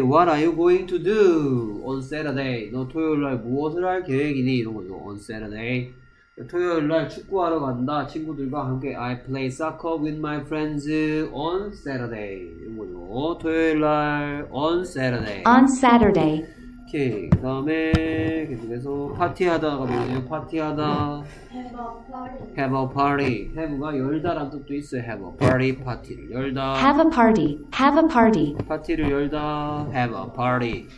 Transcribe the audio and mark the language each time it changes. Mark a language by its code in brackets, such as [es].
[en] What are you going to do on Saturday? [ko] 너 토요일 날 무엇을 할 계획이니? 이런 거죠. [en] On Saturday. [ko] 토요일 날 축구하러 간다. 친구들과 함께 [en] I play soccer with my friends on Saturday. [ko] 이런 거죠. 토요일 날 [en] on Saturday. On Saturday. [ko] 오케이. 그다음에 계속해서 파티하다가 뭐예요? 파티하다. [en] Have a party. Have a party. [ko] Have가 열다라는 뜻도 있어요. Have a party. 파티를 열다. [en] Have a party. Have a party. [ko] 파티를 열다. [en] Have a party.